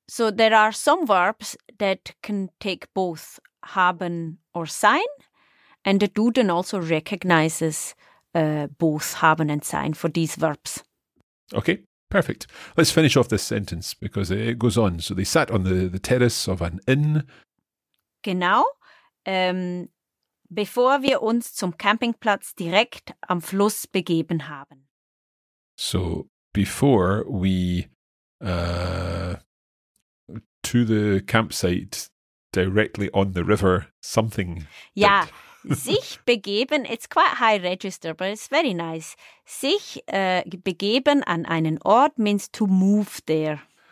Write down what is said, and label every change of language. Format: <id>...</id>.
<en>So there are some verbs that can take both haben or sein. And the Duden also recognizes both haben and sein for these verbs. Okay, perfect. Let's finish off this sentence because it goes on. So they sat on the terrace of an inn.</en> <de>Genau, bevor wir uns zum Campingplatz direkt am Fluss begeben haben.</de> <en>So, before we to the campsite directly on the river something. Ja, sich begeben, it's quite high register, but it's very nice.</en> <de>Sich begeben an einen Ort</de> <en>means to move there.</en>